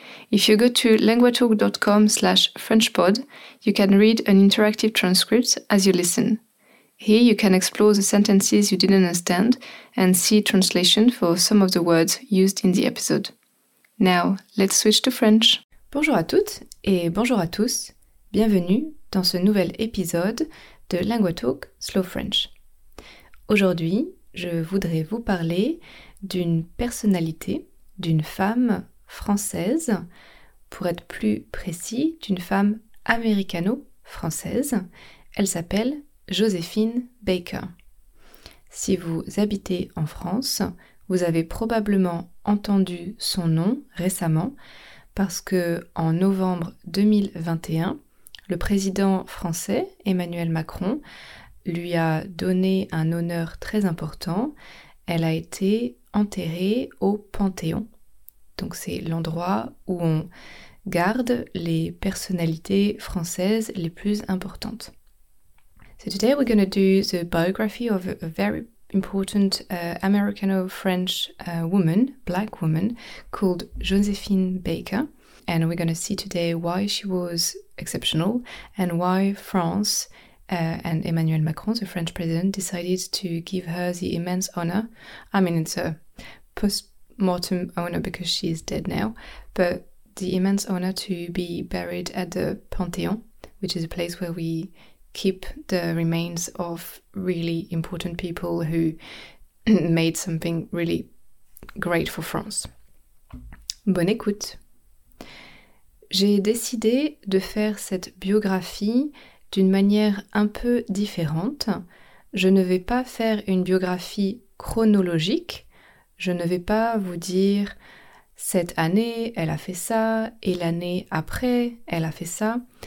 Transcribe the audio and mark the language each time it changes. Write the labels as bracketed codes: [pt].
[en] If you go to languagetalk.com/frenchpod, you can read an interactive transcript as you listen. Here you can explore the sentences you didn't understand and see translation for some of the words used in the episode. Now, let's switch to French. [fr] Bonjour à toutes et bonjour à tous. Bienvenue dans ce nouvel épisode de Langue Talk Slow French. Aujourd'hui, je voudrais vous parler d'une personnalité, d'une femme française, pour être plus précis, d'une femme américano-française. Elle s'appelle Joséphine Baker. Si vous habitez en France, vous avez probablement entendu son nom récemment, parce que en novembre 2021, le président français, Emmanuel Macron, lui a donné un honneur très important. Elle a été enterrée au Panthéon. Donc c'est l'endroit où on garde les personnalités françaises les plus importantes. [en] So today we're going to do the biography of a very important Americano-French woman, black woman, called Joséphine Baker. And we're going to see today why she was exceptional and why France and Emmanuel Macron, the French president, decided to give her the immense honor. I mean, it's a post-mortem honor because she is dead now, but the immense honor to be buried at the Panthéon, which is a place where we keep the remains of really important people who made something really great for France. [fr] Bonne écoute. J'ai décidé de faire cette biographie d'une manière un peu différente. Je ne vais pas faire une biographie chronologique. Je ne vais pas vous dire cette année, elle a fait ça, et l'année après, elle a fait ça.